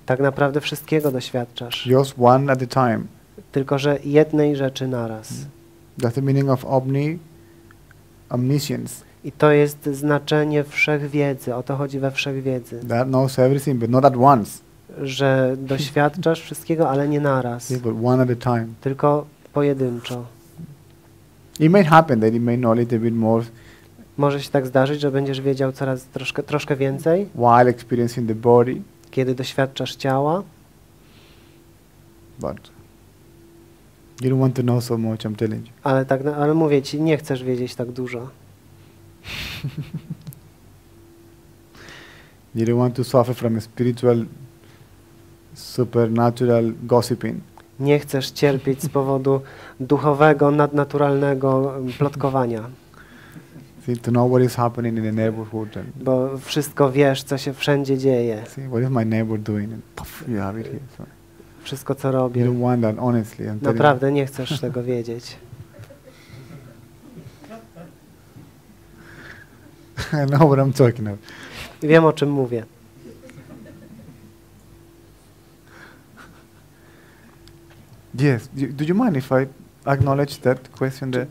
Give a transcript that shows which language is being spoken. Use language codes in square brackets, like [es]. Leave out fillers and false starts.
[pl] Tak naprawdę wszystkiego doświadczasz. [en] Just one at a time. [pl] Tylko że jednej rzeczy naraz. [en] That's the meaning of omniscience. [pl] I to jest znaczenie wszechwiedzy. O to chodzi we wszechwiedzy. [en] That knows everything, but not at once. [pl] Że doświadczasz wszystkiego, ale nie naraz. [en] Yeah, but one at a time. [pl] Tylko pojedynczo. [en] It may happen that you may know a little bit more. [pl] Może się tak zdarzyć, że będziesz wiedział coraz troszkę więcej. [en] While experiencing the body. [pl] Kiedy doświadczasz ciała. [en] But you don't want to know so much, I'm telling you. [pl] Ale mówię ci, nie chcesz wiedzieć tak dużo. [en] You don't want to suffer from a spiritual supernatural gossiping. [pl] Nie chcesz cierpieć z powodu duchowego, nadnaturalnego plotkowania. [en] See, to know what is happening in the neighborhood. And [pl] bo wszystko wiesz, co się wszędzie dzieje. [en] See, what is my neighbor doing? And puff, you have it here. So [pl] wszystko, co robię. [en] You don't want that, honestly. [pl] Naprawdę nie chcesz tego wiedzieć. [en] I know what I'm talking about. [pl] Wiem, o czym mówię. [en] Yes. Do you mind if I acknowledge that question there?